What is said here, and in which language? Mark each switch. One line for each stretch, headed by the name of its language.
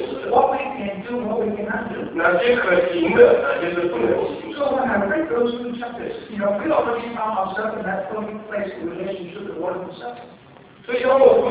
English: What we can do, what we cannot do.
Chinese: 哪些可行的，哪些是不能行的。
English: So when I read those two chapters, you know, we already found ourselves in that perfect place in relationship to God Himself.